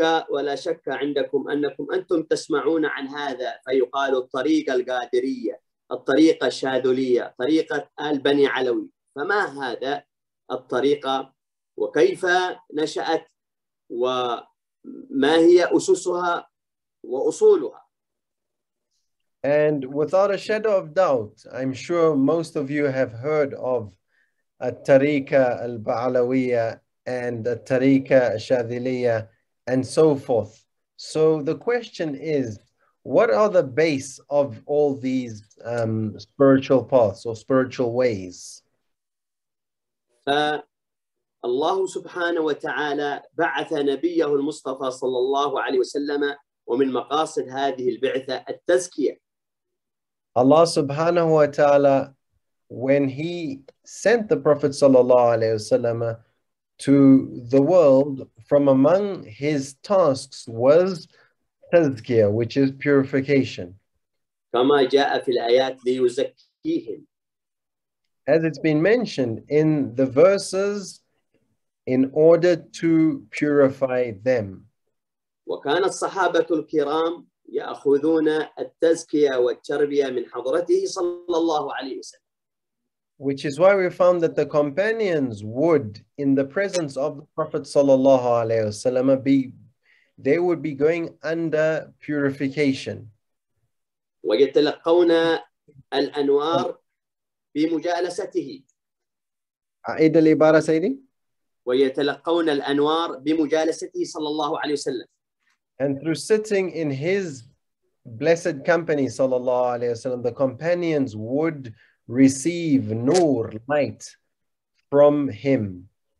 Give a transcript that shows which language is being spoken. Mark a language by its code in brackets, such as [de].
[ar] ولا شك عندكم أنكم أنتم تسمعون عن هذا فيقال الطريقة القادرية الطريقة الشاذلية طريقة آل بني علوي فما هذا الطريقة وكيف نشأت وما هي أسسها وأصولها. [en] And without a shadow of doubt, I'm sure most of you have heard of al-tariqa al-ba'alawiyya and al-tariqa al-shadhiliyya and so forth. So the question is, what are the base of all these spiritual paths or spiritual ways? [ar] فالله سبحانه وتعالى بعث نبيه المصطفى صلى الله عليه وسلم ومن مقاصد هذه البعثة التزكية. [en] Allah subhanahu wa ta'ala, when he sent the Prophet sallallahu alayhi wa sallam to the world, from among his tasks was tazkiyah, which is purification. [ar] كَمَا جَاءَ فِي الْآيَاتِ لِيُزَكِّيهِمْ. [en] As it's been mentioned in the verses, in order to purify them. [ar] وَكَانَ الصَّحَابَةُ الْكِرَامُ يأخذون التزكية والتربية من حضرته صلى الله عليه وسلم. [en] Which is why we found that the companions would, in the presence of the Prophet [ar] صلى الله عليه وسلم, [en] they would be going under purification. [ar] ويتلقون الأنوار بمجالسته. أعيد العبارة سيدي. ويتلقون الأنوار بمجالسته صلى الله عليه وسلم. [en] And through sitting in his blessed company, sallallahu alayhi wa sallam, the companions would receive nur, light, from him.